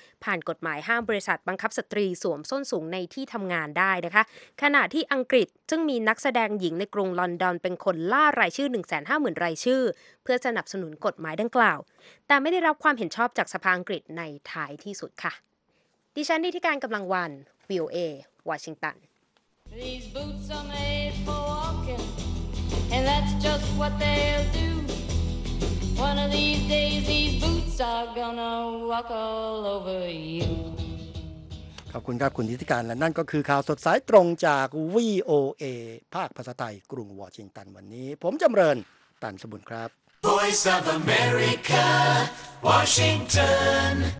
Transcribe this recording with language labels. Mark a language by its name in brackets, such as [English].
[Thai] ผ่านกฎหมายห้ามบริษัทบังคับสตรีสวมส้นสูงในที่ทำงานได้นะคะขณะที่อังกฤษซึ่งมีนักแสดงหญิงในกรุงลอนดอนเป็นคนล่ารายชื่อ 150,000 รายชื่อเพื่อสนับสนุนกฎหมายดังกล่าวแต่ไม่ได้รับความเห็นชอบจากสภาอังกฤษในท้ายที่สุดค่ะดิฉันนิติการกำลังวันVOA Washington. [English] These boots are made for walking, and that's just what they'll do. One of these days, these boots are gonna walk all over you. [Thai] ขอบคุณครับคุณนิติการและนั่นก็คือข่าวสดสายตรงจาก VOA ภาคภาษาไทยกรุงวอชิงตันวันนี้ผมจำเริญตันสมบุญครับ Voice of America Washington